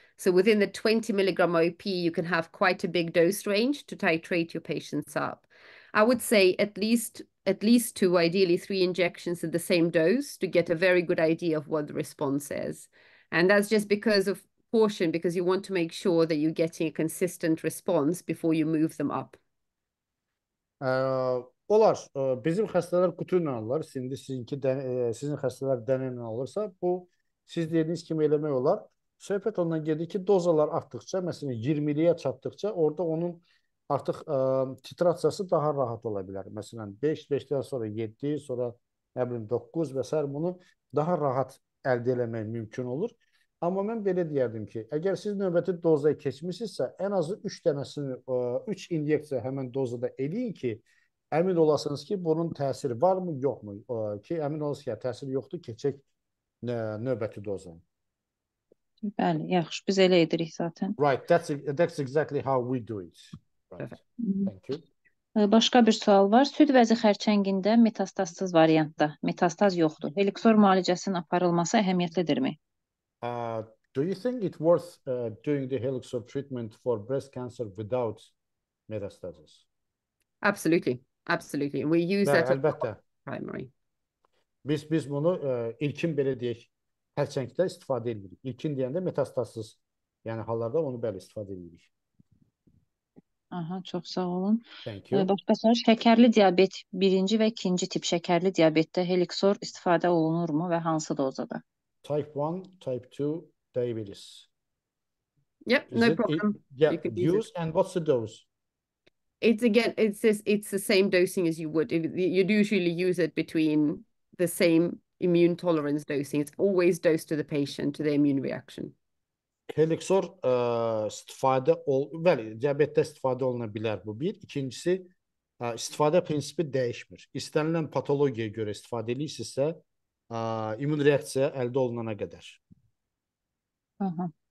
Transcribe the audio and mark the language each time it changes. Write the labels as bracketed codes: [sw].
[en] So within the 20 milligram OP, you can have quite a big dose range to titrate your patients up. I would say at least 2, ideally 3 injections at the same dose to get a very good idea of what the response is. And that's just because of caution, because you want to make sure that you're getting a consistent response before you move them up. [az] Olar, bizim xəstələr qutu ilə alırlar. İndi sizinki, sizin xəstələr dənə ilə alırsa, bu siz dediyiniz kimi eləmək olar. Söhbət ondan gedir ki, dozalar artdıqca, məsələn 20-liyə çatdıqca, orada onun artıq titrasiyası daha rahat ola bilər. Məsələn 5-5-dən sonra 7, sonra nə bilim 9 və s. bunu daha rahat əldə eləmək mümkün olur. Amma mən belə deyərdim ki, əgər siz növbəti dozaya keçmisinizsə, ən azı 3 dənəsini, 3 inyeksiya həmin dozada eləyin ki, əmin olasınız ki, bunun təsiri var mı, yox mu? Ki, əmin olasınız ki, təsiri yoxdur, keçək növbəti dozaya. Bəli, yaxşı, biz elə edirik zaten. [en] Right, that's exactly how we do it. Right. Thank you. [az] Başqa bir sual var. Süd vəzi xərçəngində metastazsız variantda, metastaz yoxdur. Eliksor müalicəsinin aparılması əhəmiyyətlidirmi? [en] Do you think it's worth doing the Helixor treatment for breast cancer without metastasis? Absolutely. Absolutely. We use that [az] əlbəttə. [en] As primary. [az] Biz bunu ilkin belə deyək, xərçəngdə istifadə edirik. İlkin deyəndə metastasız, yəni hallarda onu belə istifadə edirik. Aha, çox sağ olun. [en] Thank you. [az] Başqa soru, şəkərli diabet 1-ci və 2-ci tip şəkərli diabetdə Helixor istifadə olunurmu və hansı dozada? [en] Type 1, type 2 diabetes. Yep, is no it, problem. Yeah, use it. And what's the dose? It's the same dosing as you would. You'd usually use it between the same immune tolerance dosing. It's always dosed to the patient, to the immune reaction. [az] Helixor istifadə ol, bəli, diabetdə istifadə oluna bilər bu bir. İkincisi, istifadə prinsipi dəyişmir. İstənilən patologiyaya görə istifadə edirsinizsə, immun reaksiya əldə olunana qədər. Aha.